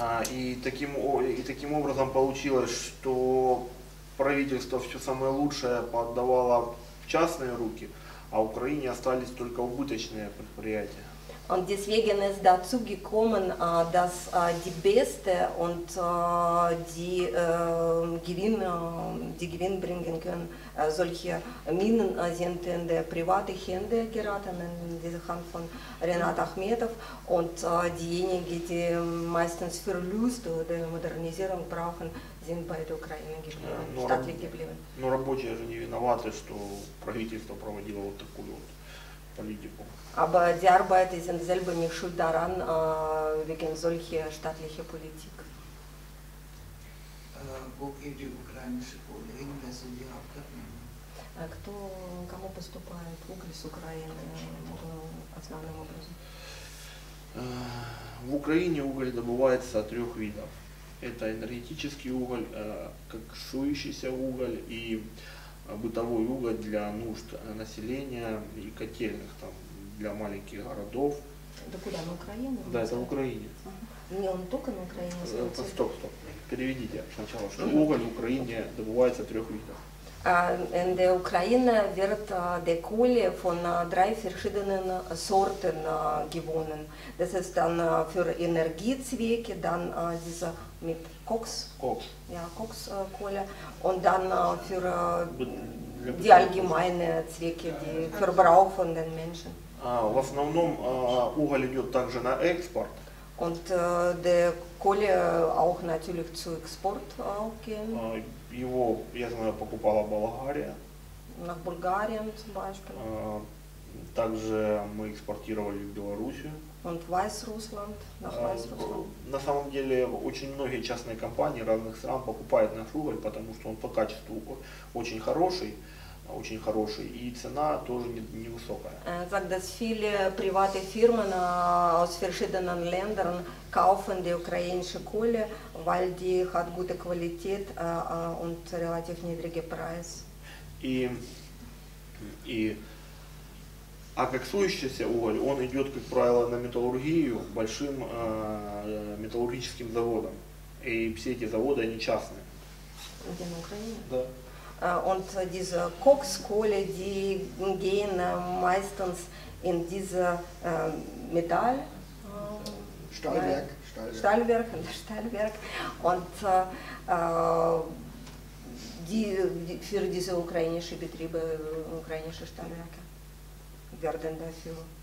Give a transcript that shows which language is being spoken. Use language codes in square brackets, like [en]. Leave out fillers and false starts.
[ru] И таким образом получилось, что правительство все самое лучшее поддавало в частные руки, а в Украине остались только убыточные предприятия. [de] Und deswegen ist dazu gekommen, dass die beste und die Gewinn bringen können, solche Minen sind in die private Hände geraten, in diese Hand von Renat Achmetow. Und diejenigen, die meistens Verlust oder Modernisierung brauchen, sind bei der Ukraine geblieben, staatlich geblieben. [ru] Но рабочие же не виноваты, что правительство проводило вот такую вот политику. [de] Aber die Arbeiter sind selber nicht schuld daran, wegen solcher staatlicher Politik. Wo geht die ukrainische Kohle hin? Wer sind die Abgabe? [ru] Кто, кому поступает уголь с Украины основным образом? В Украине уголь добывается трех видов. Это энергетический уголь, как сушащийся уголь, и бытовой уголь для нужд населения и котельных там. Для маленьких городов. Да куда? На Украину? Да, это в Украине. Ага. Не, он только на Украине. Стоп. Переведите сначала, что уголь в Украине добывается трех видов. [de] In der Ukraine wird der Kohle von drei verschiedenen Sorten gewonnen. Das ist dann für Energiezwecke, dann diese mit Koks. Koks. Ja, Kokskohle. Und dann für die allgemeine Zwecke, die Verbrauch von den Menschen. [ru] В основном уголь идет также на экспорт. [de] Und der Kohle auch natürlich zu Export gehen. [ru] Его, я знаю, покупала Болгария. [de] На Bulgarien zum Beispiel. [ru] Также мы экспортировали в Белоруссию. [de] Und Weißrussland, nach Weißrussland. [ru] На самом деле очень многие частные компании разных стран покупают наш уголь, потому что он по качеству очень хороший. Очень хороший, и цена тоже невысокая. [de] Так, dass viele private Firmen aus verschiedenen Ländern kaufen die ukrainische Kohle, weil die hat gute Qualität und relativ niedrige Preis. [ru] И коксующийся уголь, он идет, как правило, на металлургию большим металлургическим заводом. И все эти заводы, они частные. Где, на Украине? Да. [de] Und diese Kokskohle, die gehen meistens in diese Metall. Stahlwerk. Stahlwerk. Und für diese ukrainische Betriebe, ukrainische Stahlwerke werden dafür.